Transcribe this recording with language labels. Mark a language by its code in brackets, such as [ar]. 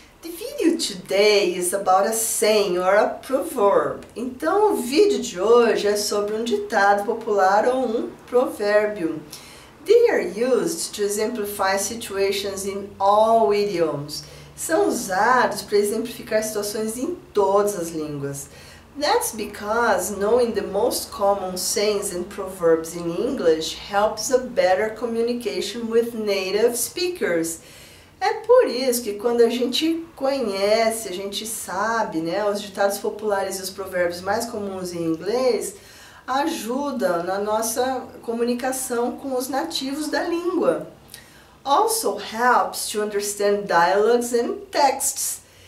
[en] The video today is about a saying or a proverb. [pt] Então o vídeo de hoje é sobre um ditado popular ou um provérbio. [en] They are used to exemplify situations in all idioms. [pt] São usados para exemplificar situações em todas as línguas. [en] That's because knowing the most common sayings and proverbs in English helps a better communication with native speakers. [pt] É por isso que quando a gente conhece, a gente sabe, né, os ditados populares e os provérbios mais comuns em inglês, ajuda na nossa comunicação com os nativos da língua. [en] Also helps to understand dialogues and texts.